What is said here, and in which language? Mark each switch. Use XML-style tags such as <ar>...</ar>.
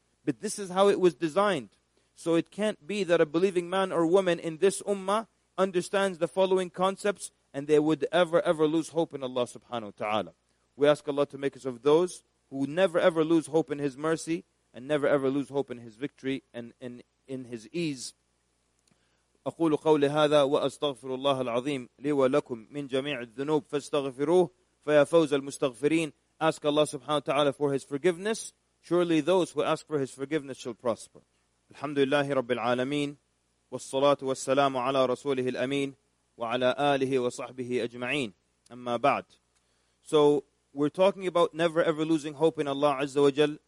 <en>But this is how it was designed. So it can't be that a believing man or woman in this ummah understands the following concepts and they would ever, ever lose hope in Allah subhanahu wa ta'ala. We ask Allah to make us of those who never, ever lose hope in His mercy and never, ever lose hope in His victory and in His ease.</en> <ar>أقول قولي هذا وأستغفر الله العظيم لي ولكم من جميع الذنوب فاستغفروه. فَيَفَوْزَ الْمُسْتَغْفِرِينَ.</ar> <en>Ask Allah subhanahu wa ta'ala for His forgiveness. Surely those who ask for His forgiveness shall prosper.</en> <ar>Alhamdulillahi Rabbil Alameen. وَالصَّلَاةُ وَالسَّلَامُ عَلَىٰ رَسُولِهِ الْأَمِينَ وَعَلَىٰ آلِهِ وَصَحْبِهِ أَجْمَعِينَ. أَمَّا بَعْدْ.</ar> <en>So we're talking about never ever losing hope in Allah Azza wa Jal.</en>